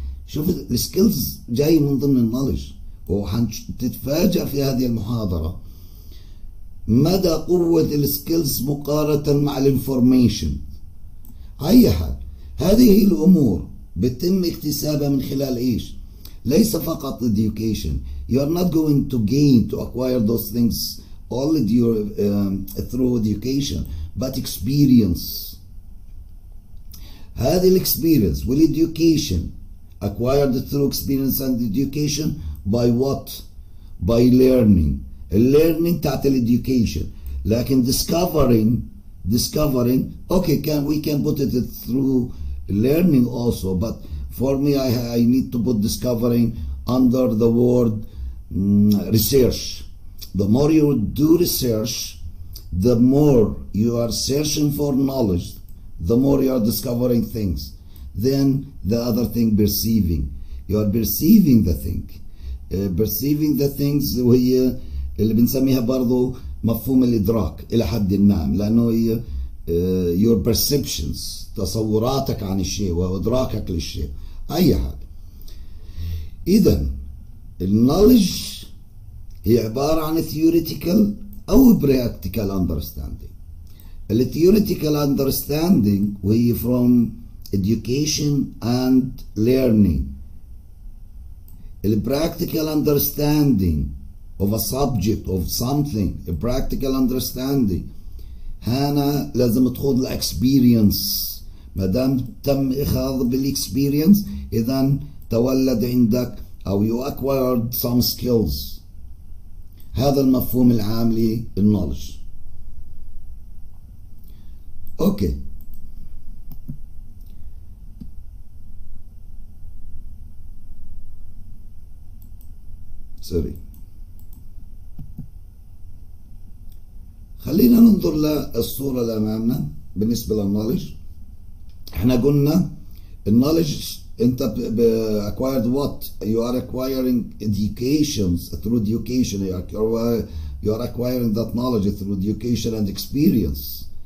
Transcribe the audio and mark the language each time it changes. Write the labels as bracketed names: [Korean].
[Arabic] شوف skills جاي من ضمن knowledge، وحنتتفاجأ في هذه المحاضرة مدى قوة السكيلز مقارنة مع الانفورميشن. أي حال هذه الأمور بتم اكتسابها من خلال إيش؟ ليس فقط education. [English] You are not going to gain to acquire those things only through education, but experience. [Arabic] هذه [English] الexperience والeducation acquired through experience and education by what? By learning. Learning [Arabic] تاعت [English] الeducation، [Arabic] لكن [English] discovering okay we can put it through learning also، but for me I need to put discovering under the word research. The more you do research, the more you are searching for knowledge, the more you are discovering things. Then the other thing, perceiving. You are perceiving the thing. Perceiving the things we [Arabic] اللي بنسميها برضو مفهوم الإدراك إلى حد ما، لأنه هي [English] your perceptions، [Arabic] تصوراتك عن الشيء وإدراكك للشيء. أي حد إذا knowledge هي عبارة عن theoretical أو practical understanding. [English] The theoretical understanding [Arabic] وهي [English] from education and learning. The practical understanding of a subject, of something, a practical understanding. [Arabic] هنا لازم تخوض الاكسبيرينس ما دام تم إخاض بالإكسبيرينس، إذا تولد عندك أو [English] you acquired some skills. [Arabic] هذا المفهوم العام للنولج. أوكي. [English] Sorry. [Arabic] خلينا ننظر للصورة اللي أمامنا بالنسبة للنولج. احنا قلنا [English] knowledge [Arabic] انت [English] acquired what you are acquiring educations through education you are acquiring that knowledge through education and experience.